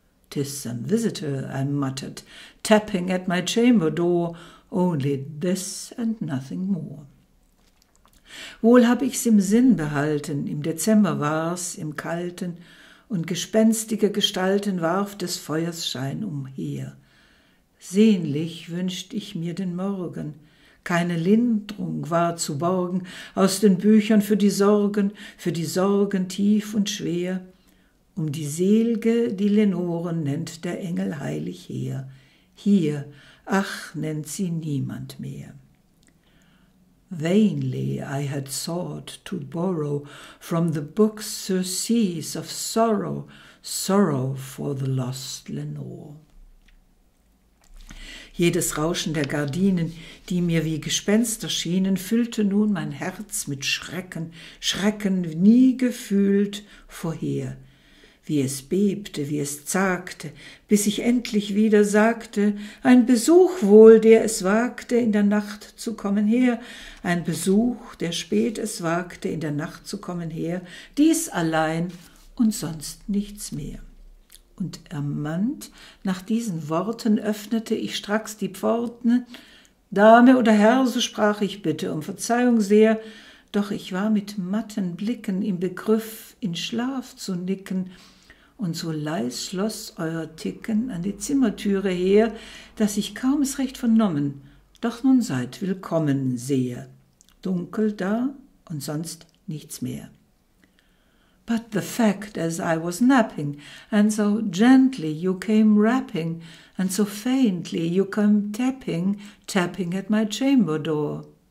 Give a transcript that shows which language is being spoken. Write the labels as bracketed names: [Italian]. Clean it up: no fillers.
[English] 'Tis some visitor, I muttered, tapping at my chamber door, only this and nothing more. [German] Wohl hab ich's im Sinn behalten, im Dezember war's, im Kalten, und gespenstige Gestalten warf des Feuers Schein umher. Sehnlich wünscht ich mir den Morgen, keine Linderung war zu borgen aus den Büchern für die Sorgen tief und schwer, um die Selge, die Lenoren nennt der Engel heilig her, hier, ach, nennt sie niemand mehr. [English] Vainly I had sought to borrow from the books surcease of sorrow, sorrow for the lost Lenore. [German] Jedes Rauschen der Gardinen, die mir wie Gespenster schienen, füllte nun mein Herz mit Schrecken, Schrecken nie gefühlt vorher. Wie es bebte, wie es zagte, bis ich endlich wieder sagte, ein Besuch wohl, der es wagte, in der Nacht zu kommen her, ein Besuch, der spät es wagte, in der Nacht zu kommen her, dies allein und sonst nichts mehr. Und ermannt nach diesen Worten öffnete ich stracks die Pforten. Dame oder Herr, so sprach ich bitte um Verzeihung sehr, doch ich war mit matten Blicken im Begriff, in Schlaf zu nicken, und so leis schloss euer Ticken an die Zimmertüre her, dass ich kaum es recht vernommen, doch nun seid willkommen sehe. Dunkel da und sonst nichts mehr. [English] But the fact, as I was napping, and so gently you came rapping, and so faintly you came tapping, tapping at my chamber door.